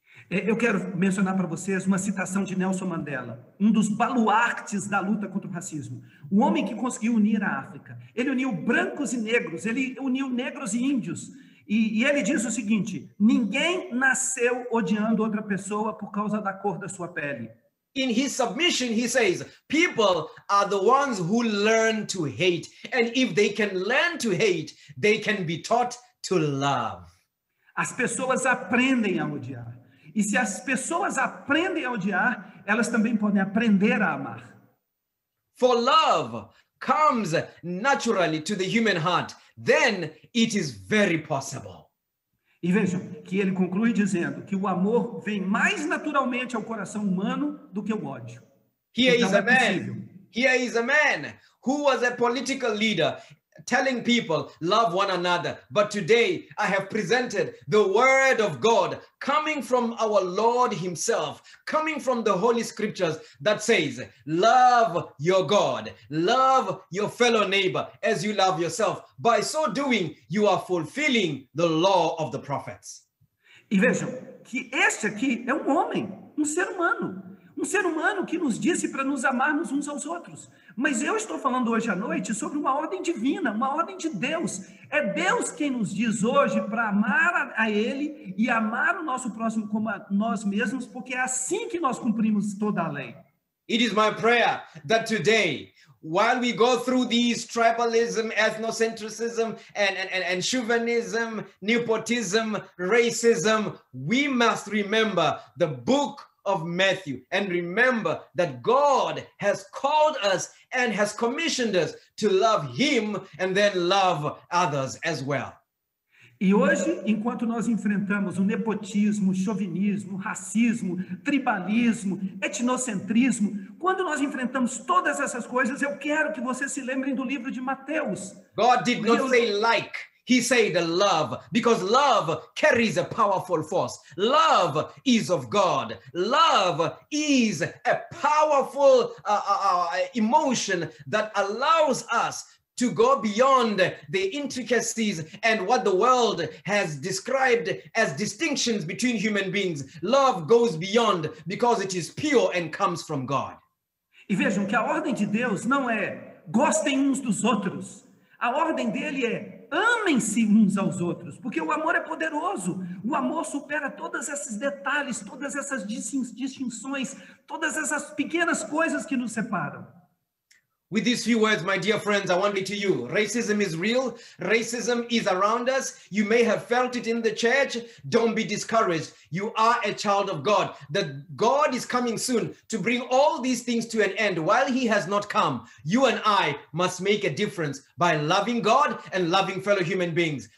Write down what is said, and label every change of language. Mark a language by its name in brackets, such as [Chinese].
[Portuguese] Eu quero mencionar para vocês uma citação de Nelson Mandela, um dos baluartes da luta contra o racismo. O homem que conseguiu unir a África. Ele uniu brancos e negros, ele uniu negros e índios. E ele diz o seguinte, ninguém nasceu odiando outra pessoa por causa da cor da sua pele. [English] In his submission, he says, people are the ones who learn to hate. And if they can learn to hate, they can be taught to love. [Portuguese] As pessoas aprendem a odiar. E se as pessoas aprendem a odiar, elas também podem aprender a amar. [English] For love comes naturally to the human heart, then it is very possible. [Portuguese] E vejam que ele conclui dizendo que o amor vem mais naturalmente ao coração humano do que o ódio. [English] Here is a man who was a political leader. telling people love one another, but today I have presented the word of God coming from our Lord himself, coming from the Holy Scriptures that says, love your God, love your fellow neighbor as you love yourself. By so doing, you are fulfilling the law of the prophets. [Portuguese] E vejam que este aqui é um homem, um ser humano que nos disse para nos amarmos uns aos outros. Mas eu estou falando hoje à noite sobre uma ordem divina, uma ordem de Deus. É Deus quem nos diz hoje para amar a Ele e amar o nosso próximo como a nós mesmos, porque é assim que nós cumprimos toda a lei. [English] It is my prayer that today, while we go through these tribalism, ethnocentrism, and chauvinism, nepotism, racism, we must remember the book of Matthew and remember that God has called us and has commissioned us to love him and then love others as well. [Portuguese] E hoje, enquanto nós enfrentamos o nepotismo, o chauvinismo, o racismo, tribalismo, etnocentrismo, quando nós enfrentamos todas essas coisas, eu quero que vocês se lembrem do livro de Mateus. [English] God did not say like, he said love, because love carries a powerful force. Love is of God. Love is a powerful emotion that allows us to go beyond the intricacies and what the world has described as distinctions between human beings. Love goes beyond because it is pure and comes from God. [Portuguese] E vejam que a ordem de Deus não é gostem uns dos outros. A ordem dele é amem-se uns aos outros, porque o amor é poderoso. O amor supera todos esses detalhes, todas essas distinções, todas essas pequenas coisas que nos separam. [English] With these few words, my dear friends, I want to say to you, racism is real. Racism is around us. You may have felt it in the church. Don't be discouraged. You are a child of God. That God is coming soon to bring all these things to an end. While he has not come, you and I must make a difference by loving God and loving fellow human beings.